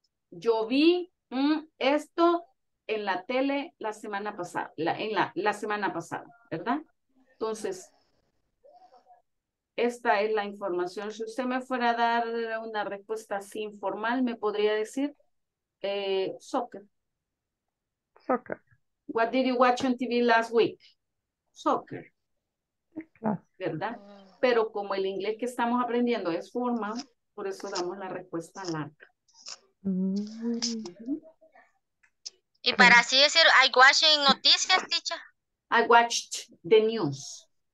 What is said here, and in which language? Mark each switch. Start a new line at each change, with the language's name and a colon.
Spanish: Yo vi esto en la tele la semana pasada. La semana pasada, ¿verdad? Entonces, esta es la información. Si usted me fuera a dar una respuesta así informal, me podría decir soccer.
English: Soccer. What did you watch on TV last week?
Spanish: Soccer. ¿Verdad? Pero como el inglés que estamos aprendiendo es formal, por eso damos la respuesta larga. Y para así decir,
English: I watched
Spanish: noticias,
English: teacher. I watched the news.